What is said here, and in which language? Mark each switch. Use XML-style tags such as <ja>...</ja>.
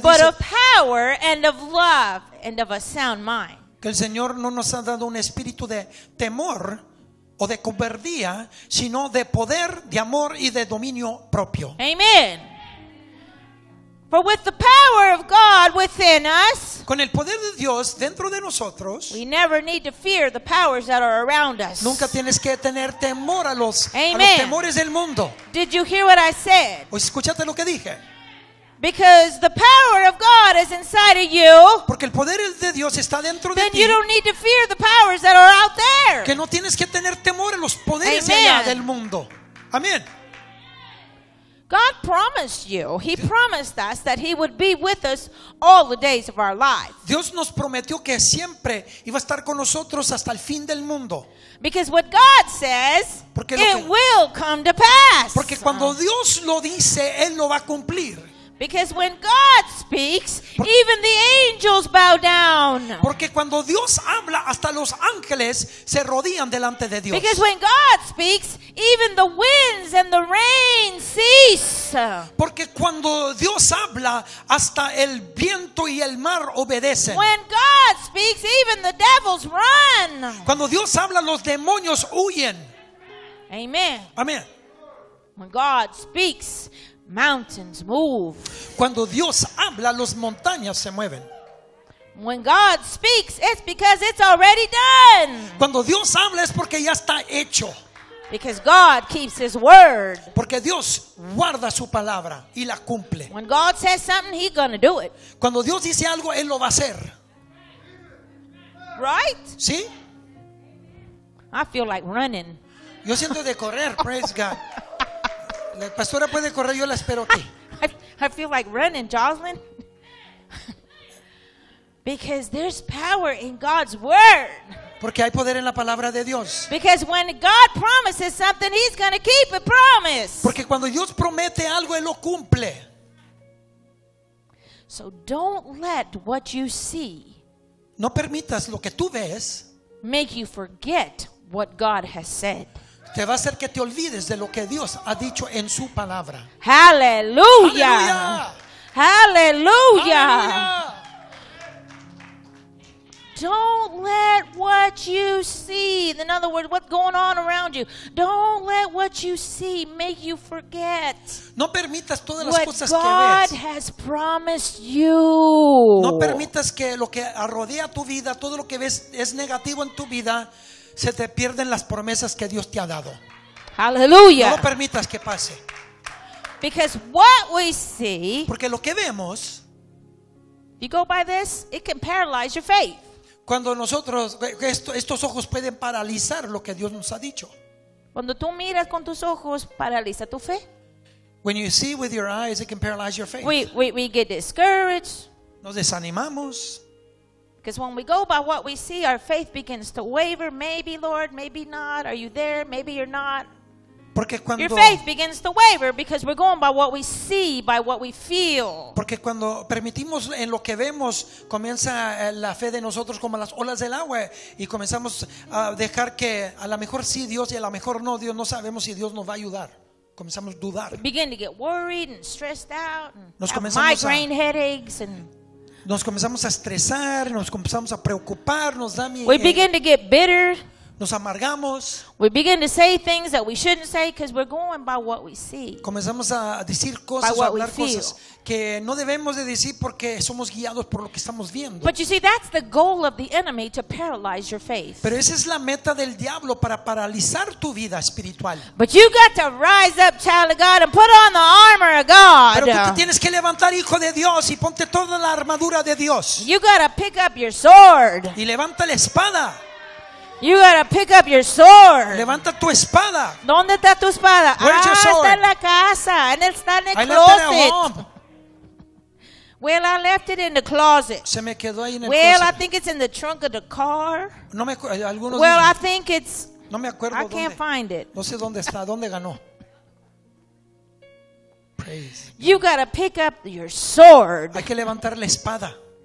<en>"But of power and of love and of a sound mind."</en> <es>Que el Señor no nos ha dado un espíritu de temor o de cobardía, sino de poder, de amor y de dominio propio.</es> <en>Amen. For with the power of God within us,</en> <es>con el poder de Dios dentro de nosotros,</es> <en>we never need to fear the powers that are around us.</en> <es>Nunca tienes que tener temor a los temores del mundo.</es> <en>Did you hear what I said?</en> <es>¿O escuchaste lo que dije?</es> <en>Because the power of God is inside of you.</en> <es>Porque el poder de Dios está dentro de ti.</es> <en>Then you don't need to fear the powers that are out there.</en> <es>Que no tienes que tener temor a los poderes allá del mundo. Amén.</es> <en>God promised you. He promised us that he would be with us all the days of our lives.</en> <es>Dios nos prometió que siempre iba a estar con nosotros hasta el fin del mundo.</es> <en>Because what God says, it will come to pass.</en> <es>Porque cuando Dios lo dice, él lo va a cumplir.</es> <en>Because when God speaks, even the angels bow down.</en> <es>Porque cuando Dios habla, hasta los ángeles se rodean delante de Dios.</es> <en>Because when God speaks, even the winds and the rain cease.</en> <es>Porque cuando Dios habla, hasta el viento y el mar obedecen.</es> <en>When God speaks, even the devils run.</en> <es>Cuando Dios habla, los demonios huyen.</es> <en>Amen. Amen. When God speaks, mountains move.</en> <es>Cuando Dios habla, las montañas se mueven.</es> <en>When God speaks, it's because it's already done.</en> <es>Cuando Dios habla, es porque ya está hecho.</es> <en>Because God keeps his word.</en> <es>Porque Dios guarda su palabra y la cumple.</es> <en>When God says something, he's going to do it.</en> <es>Cuando Dios dice algo, él lo va a hacer.</es> <en>Right?</en> <es>¿Sí?</es> <en>I feel like running.</en> <es>Yo siento de correr,</es> <en>praise God.</en> <es>La pastora puede correr, yo la espero aquí.</es> <en>I feel like running, Jocelyn. Because there's power in God's word.</en> <es>Porque hay poder en la palabra de Dios.</es> <en>Because when God promises something, he's going to keep a promise.</en> <es>Porque cuando Dios promete algo, él lo cumple.</es> <en>So don't let what you see,</en> <es>no permitas lo que tú ves,</es> <en>make you forget what God has said.</en> <es>Te va a hacer que te olvides de lo que Dios ha dicho en su palabra. Aleluya. Aleluya.</es> <en>Don't let what you see, in other words, what's going on around you, don't let what you see make you forget.</en> <es>No permitas todas las</es> <en>what</en> <es>cosas</es> <en>God</en> <es>que ves.</es> <en>God has promised you.</en> <es>No permitas que lo que rodea tu vida, todo lo que ves es negativo en tu vida, se te pierden las promesas que Dios te ha dado. Aleluya. No permitas que pase.</es> <en>Because what we see,</en> <es>porque lo que vemos,</es> <en>you go by this, it can paralyze your faith.</en> <es>Cuando nosotros estos ojos pueden paralizar lo que Dios nos ha dicho. Cuando tú miras con tus ojos, paraliza tu fe.</es> <en>When you see with your eyes, it can paralyze your faith. We get discouraged.</en> <es>Nos desanimamos.</es> <en>Because when we go by what we see, our faith begins to waver. Maybe, Lord, maybe not. Are you there? Maybe you're not.</en> <es>Porque cuando</es> <en>your faith begins to waver, because we're going by what we see, by what we feel.</en> <es>Porque cuando permitimos en lo que vemos, comienza la fe de nosotros como las olas del agua, y comenzamos a dejar que a lo mejor sí Dios y a lo mejor no Dios. No sabemos si Dios nos va a ayudar. Comenzamos a dudar.</es> <en>We begin to get worried and stressed out.</en> <es>Nos comenzamos</es> <en>migraine headaches and.</en> <es>Nos comenzamos a estresar, nos comenzamos a preocupar, nos da miedo.</es> <en>We begin to get bitter.</en> <es>Nos amargamos.</es> <en>We begin to say things that we shouldn't say because we're going by what we see.</en> <es>Comenzamos a decir cosas, a hablar cosas que no debemos de decir porque somos guiados por lo que estamos viendo.</es> <en>But you see, that's the goal of the enemy, to paralyze your faith.</en> <es>Pero esa es la meta del diablo, para paralizar tu vida espiritual.</es> <en>But you got to rise up, child of God, and put on the armor of God.</en> <es>Pero tú te tienes que levantar, hijo de Dios, y ponte toda la armadura de Dios.</es> <en>You got to pick up your sword.</en> <es>Y levanta la espada.</es> <en>You gotta pick up your sword.</en> <es>Levanta tu espada. ¿Dónde está tu espada?</es> <en>Where's your sword?</en> <es>Está en la casa, en el, está en el closet.</es> <en>Well, I left it in the closet.</en> <es>Se me quedó ahí en el</es> <en>well,</en> <es>closet.</es> <en>I think it's in the trunk of the car.</en> <es>No me acuerdo, algunos</es> <en>well,</en> <es>dicen,</es> <en>I think it's.</en> <es>No me acuerdo</es> <en>I</en> <es>dónde.</es> <en>Can't find it.</en> <es>No sé dónde está, dónde ganó.</es> <en>You gotta pick up your sword.</en> <es>Hay que levantar la espada.</es>